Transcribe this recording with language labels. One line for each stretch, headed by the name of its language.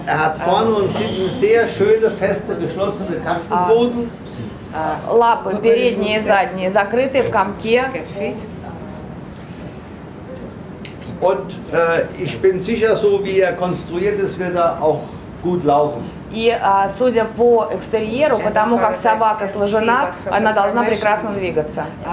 German: Er hat vorne und hinten sehr schöne, feste, geschlossene Katzenpfoten.
Russian: Лапы передние и задние закрыты в комке.
German: Und ich bin sicher, so wie er konstruiert ist, wird er auch gut laufen.
Russian: И судя по экстерьеру, потому как собака сложена, она должна прекрасно двигаться.